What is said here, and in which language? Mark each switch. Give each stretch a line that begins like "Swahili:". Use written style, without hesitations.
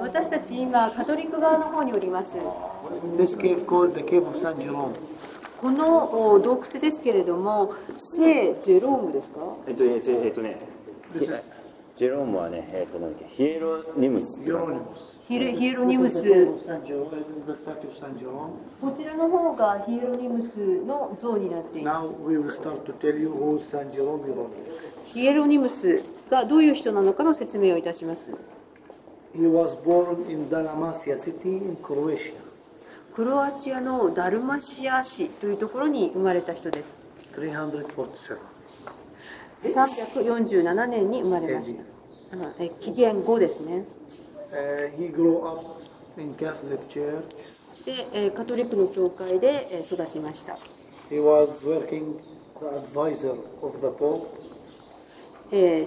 Japanese: 私たち今カトリック側の方におります。
English: This cave called the Cave of Saint Jerome.
Japanese: この洞窟ですけれども、聖ジェロームですか？ね。ジェロームはね、なんだっけ、ヒエロニムス。ヒエロニムス。こちらの方がヒエロニムスの像になっています。
English: Now we will start to tell you who Saint Jerome is.
Japanese: ヒエロニムスがどういう人なのかの説明をいたします。
English: He was born in Dalmatia city in Croatia.
Japanese: クロアチアのダルマシア市というところに生まれた人です。 347。 347年に生まれました。紀元後ですね。
English: He grew up in Catholic church.
Japanese: で、カトリックの教会で育ちました。
English: He was working the advisor of the Pope.